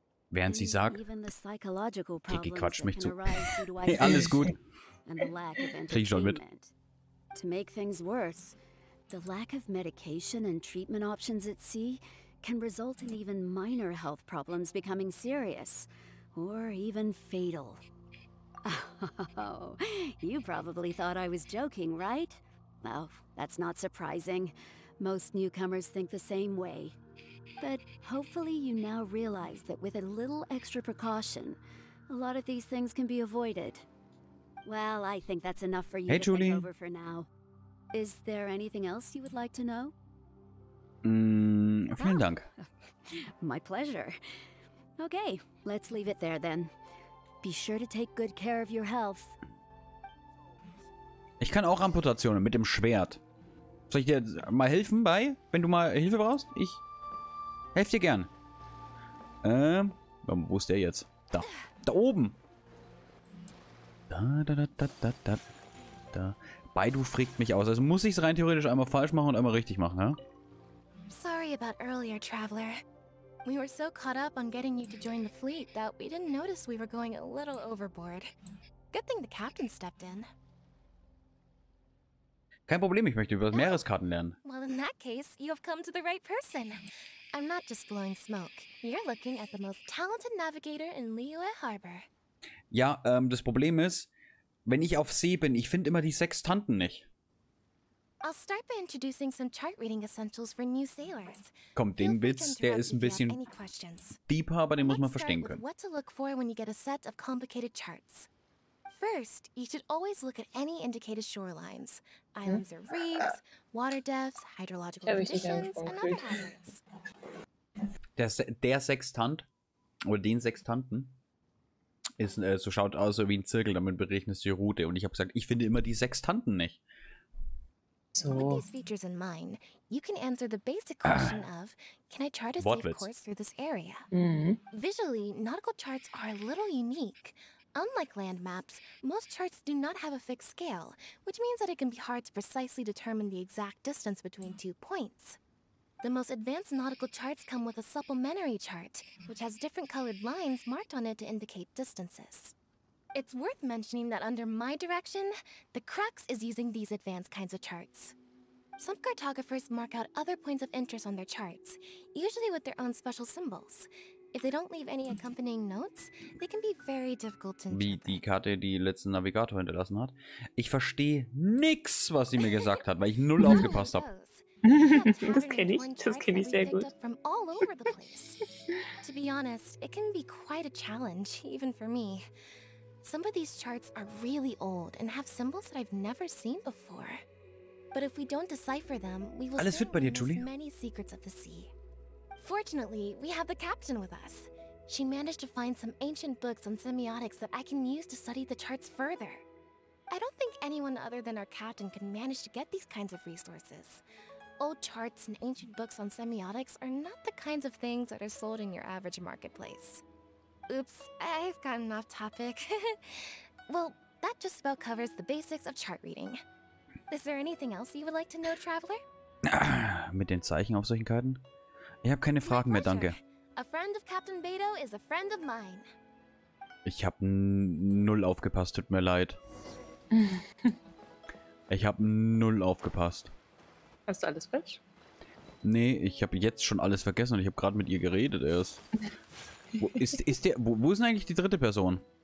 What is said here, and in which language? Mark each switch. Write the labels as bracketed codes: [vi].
[de] Während sie sagt, Kiki quatscht mich zu. Hey, alles gut. Krieg ich schon mit. [en] To make things worse, the lack of medication and treatment options at sea can result in even minor health problems becoming serious or even fatal. Oh, you probably thought I was joking, right? Well, that's not surprising. Most newcomers think the same way. But hopefully you now realize that with a little extra precaution, a lot of these things can be avoided. Well, I think that's enough for you hey, to Julie. Think over for now. Is there anything else you would like to know? [de] Vielen Dank. [en] My pleasure. Okay, let's leave it there then. Be sure to take good care of your health. [de] Ich kann auch Amputationen mit dem Schwert. Soll ich dir mal helfen bei, wenn du mal Hilfe brauchst? Ich... Helf dir gern. Wo ist der jetzt? Da. Da oben. Da, da, da, da, da, da. Da. Baidu frickt mich aus. Also muss ich es rein theoretisch einmal falsch machen und einmal richtig machen, ja? [en] Sorry about earlier, Traveler. We were so caught up on getting you to join the fleet that we didn't notice we were going a little overboard. Good thing the captain stepped in. [de] Kein Problem, ich möchte über Meereskarten lernen. [en] Well, in that case, you have come to the right person. I'm not just blowing smoke. You're looking at the most talented navigator in Liyue Harbor. [de] Ja, das Problem ist, wenn ich auf See bin, ich finde immer die Sextanten nicht. [en] I'll start by introducing some chart reading essentials for new sailors. [de] Komm, den Witz, der ist ein bisschen deeper, aber den muss man verstehen können. [en] What to look for when you get a set of complicated charts. First, you should always look at any indicated shorelines. Islands or reefs, water depths, hydrological conditions, and other hazards. [de] Der Sextant oder den Sextanten ist so schaut aus so wie ein Zirkel, damit berechnest du die Route. Und ich habe gesagt, ich finde immer die Sextanten nicht. So. [en] With these features in mind, you can answer the basic question of, can I chart a safe course through this area? Visually, nautical charts are a little unique. Unlike land maps, most charts do not have a fixed scale, which means that it can be hard to precisely determine the exact distance between two points. The most advanced nautical charts come with a supplementary chart, which has different colored lines marked on it to indicate distances. It's worth mentioning that under my direction, the Crux is using these advanced kinds of charts. Some cartographers mark out other points of interest on their charts, usually with their own special symbols. If they don't leave any accompanying notes, they can be very difficult to interpret. [de] Wie die Karte, die letzten Navigator hinterlassen hat. Ich verstehe nix, was sie mir gesagt hat, weil ich null aufgepasst habe. Das kenne ich sehr gut. [en] From all over the place. To be honest, it can be quite a challenge, even for me. Some of these charts are really old and have symbols that I've never seen before. But if we don't decipher them, we will [de] alles wird bei dir, Julie. [en] Many secrets of the sea. Fortunately, we have the captain with us. She managed to find some ancient books on semiotics that I can use to study the charts further. I don't think anyone other than our captain can manage to get these kinds of resources. Old charts and ancient books on semiotics are not the kinds of things that are sold in your average marketplace. Oops, I've gotten off topic. Well, that just about covers the basics of chart reading. Is there anything else you would like to know, Traveler? [de] Mit den Zeichen auf solchen Karten? Ich habe keine Fragen mehr, danke. [en] A friend of Captain Beto is a friend of mine. [de] Ich habe null aufgepasst, tut mir leid. Ich habe null aufgepasst. Hast du alles falsch? Nee, ich habe jetzt schon alles vergessen und ich habe gerade mit ihr geredet erst. Wo ist denn eigentlich die dritte Person?